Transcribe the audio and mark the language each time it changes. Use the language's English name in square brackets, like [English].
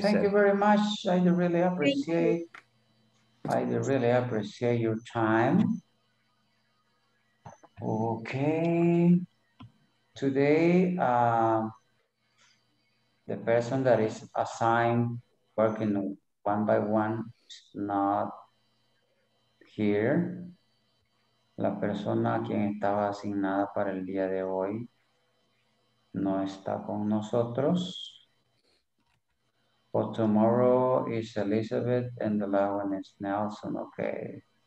[English] thank you very much. I really appreciate your time. Okay. Today, the person that is assigned working one by one is not here. [Spanish] La persona a quien estaba asignada para el día de hoy no está con nosotros. [English] For tomorrow is Elizabeth and the last one is Nelson, okay.